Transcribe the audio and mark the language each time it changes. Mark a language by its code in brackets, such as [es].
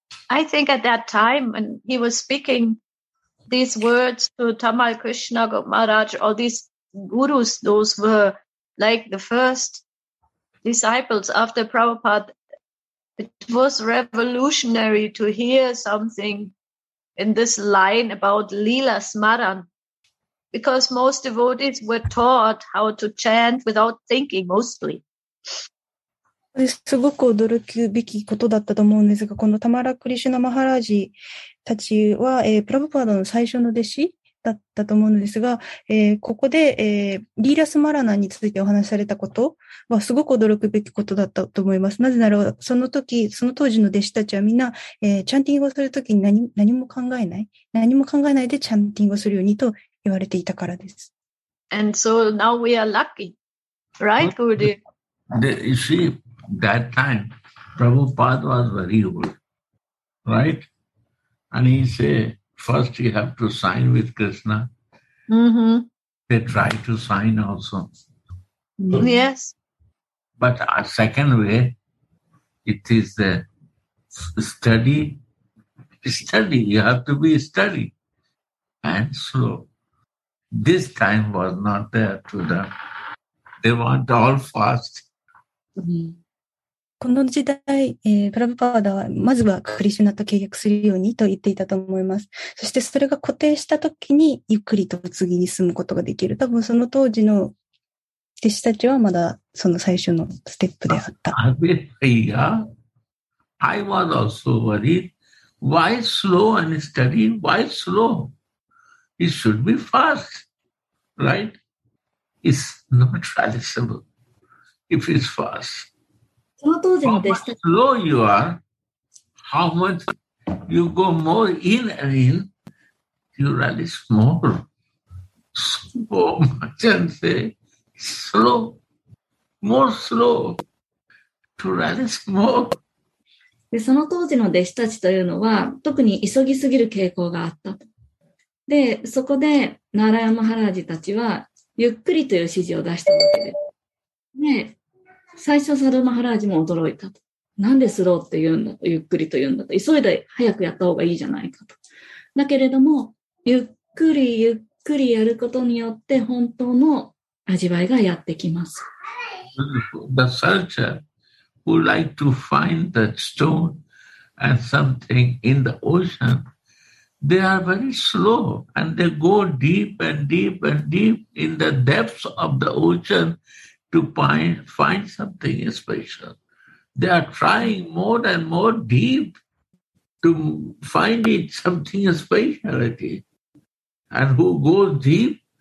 [en] I think at that time when he was speaking,these words to Tamal Krishna Maharaj or these gurus, those were like the first disciples after Prabhupada. It was revolutionary to hear something in this line about Leela Smaran, because most devotees were taught how to chant without thinking mostly. [ja] すごく驚くべきことだったと思うんですが、このタマラ・クリシュナ・マハラージたちは、プラブパーダの最初の弟子だったと思うんですが、ここで、リーラス・マラナについてお話しされたことはすごく驚くべきことだったと思います。なぜなら、その時、その当時の弟子たちはみんな、チャンティングをするときに何も考えないでチャンティングをするようにと言われていたからです。 [en] And so now we are lucky, right, Gurudev? You see,that time, Prabhupada was very old, right? And he said, first you have to sign with Krishna. Mm-hmm. They try to sign also. Yes. But a second way, it is the study. Study, you have to be study. And so, this time was not there to them. They want all fast. Mm-hmm. [ja] この時代、プラブパーダは、まずはクリシュナと契約するようにと言っていたと思います。そしてそれが固定した時に、ゆっくりと次に進むことができる。多分その当時の弟子たちはまだその最初のステップであった。あれ、いや、 [en] I was also worried. Why slow and steady? Why slow? It should be fast, right? It's not traditional if it's fast. [ja] その当時の弟子たち。 [en] How much slow you are, how much you go more in and in, you rally small. So much and say, slow, more slow, to rally small. [ja] で、その当時の弟子たちというのは、特に急ぎすぎる傾向があったと。で、そこで、ナーラヤマハラージたちは、ゆっくりという指示を出したわけです。で、最初、サドマハラージも驚いたと。なんでスローって言うんだと、ゆっくりと言うんだと。急いで早くやった方がいいじゃないかと。だけれども、ゆっくりゆっくりやることによって、本当の味わいがやってきます。 [en] The searcher who like to find the stone and something in the ocean, they are very slow and they go deep and deep and deep in the depths of the ocean. To find something special. They are trying more and more deep to find it something special. And who goes deep